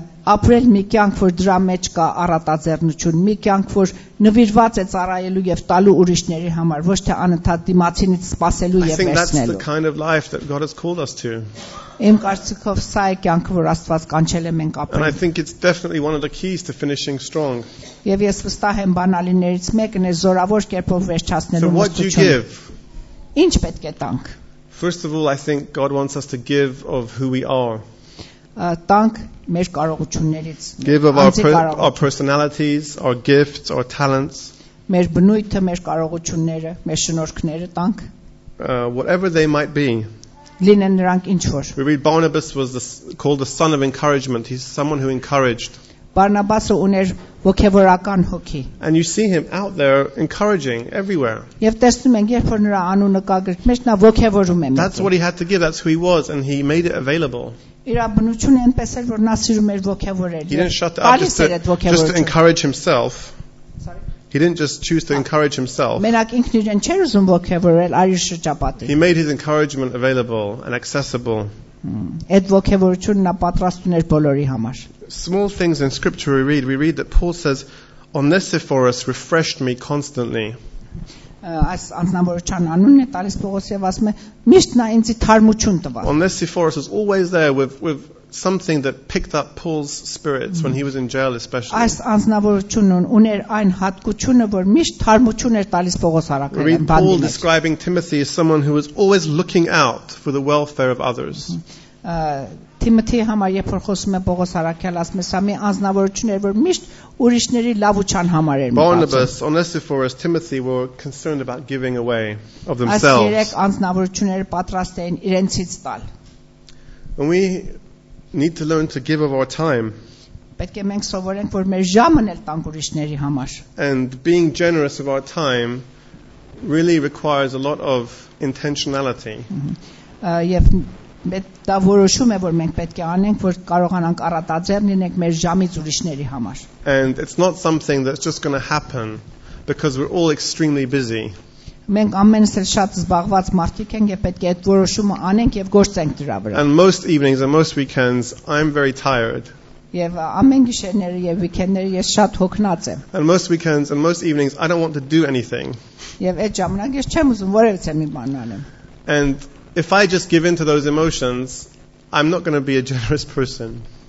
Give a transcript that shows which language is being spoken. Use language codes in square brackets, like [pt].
[hy] Ապրել մի կյանք, որ դրա մեջ կա առատաձեռնություն, մի կյանք, որ նվիրված է ծառայելու եւ տալու ուրիշների համար, ոչ թե անընդհատ դիմացինից սպասելու եւ վերցնելու։ [en] I think that's the kind of life that God has called us to. [hy] Իմ կարծիքով սա է կյանքը, որ Աստված կանչել է մենք ապրել։ [en] And I think it's definitely one of the keys to finishing strong. [hy] Եվ ես վստահ եմ, բանալիներից մեկն է զորավոր կերպով վերջացնելու մտքը։ [en] So what do you give? [hy] Ինչ պետք է տանք։ [en] First of all, I think God wants us to give of who we are. [hy] Տանք մեր կարողություններից, [en] give of our personalities, our gifts, our talents. [hy] Մեր բնույթը, մեր կարողությունները, մեր շնորհքները տանք. [en] Whatever they might be. [hy] Լինեն նրանք ինչ որ. [en] We read Barnabas was called the son of encouragement. He's someone who encouraged. [hy] Բարնաբասը ուներ ոգևորական հոգի. [en] And you see him out there encouraging everywhere. [hy] Եվ տեսնում ենք, երբ որ նրա անունը կա գրքում, նա ոգևորում է։ [en] That's what he had to give, that's who he was, and he made it available. [hy] Իր բնությունը այնպես էր, որ նա սիրում էր ոգևորել։ [en] He didn't shut up just to encourage himself. Sorry. He didn't just choose to encourage himself. [hy] Մենակ ինքն իրեն չէր ուզում ոգևորել այլ շրջապատին։ [en] He made his encouragement available and accessible. [hy] Այդ ոգևորությունը նա պատրաստուներ բոլորի համար։ [en] small things in Scripture we read. We read that Paul says, Onesiphorus refreshed me constantly. Onesiphorus was always there with something that picked up Paul's spirits when he was in jail especially. Paul describing Timothy as someone who was always looking out for the welfare of others. [hy] Թիմոթի համար երբ որ խոսում է Պողոս Արաքյալ, ասում է, «Սա մի անձնավորություն էր, որ միշտ ուրիշների լավության համար էր մտածում»։ [en] Barnabas, Onesiphorus, Timothy were concerned about giving away of themselves. [hy] Այս երեք անձնավորությունները պատրաստ էին իրենցից տալ։ [en] And we need to learn to give of our time. [hy] Պետք է մենք սովորենք, որ մեր ժամն էլ տանք ուրիշների համար։ [en] And being generous of our time really requires a lot of intentionality. [hy] Եվ մենք որոշում ենք, որ մենք պետք է անենք, որ կարողանանք առատաձեռն լինենք մեր ժամից ուրիշների համար։ [en] And it's not something that's just going to happen because we're all extremely busy. [hy] Մենք ամենս էլ շատ զբաղված մարդիկ ենք եւ պետք է այդ որոշումը անենք եւ գործենք դրա վրա։ [en] And most evenings and most weekends I'm very tired. [hy] Եվ ամեն գիշերները եւ վիկենդները ես շատ հոգնած եմ։ [en] And most weekends and most evenings I don't want to do anything. [hy] Եվ այդ ժամանակ ես չեմ ուզում որևիցե մի բան անեմ։ [en] And if I just give in to those emotions, I'm not going to be a generous person.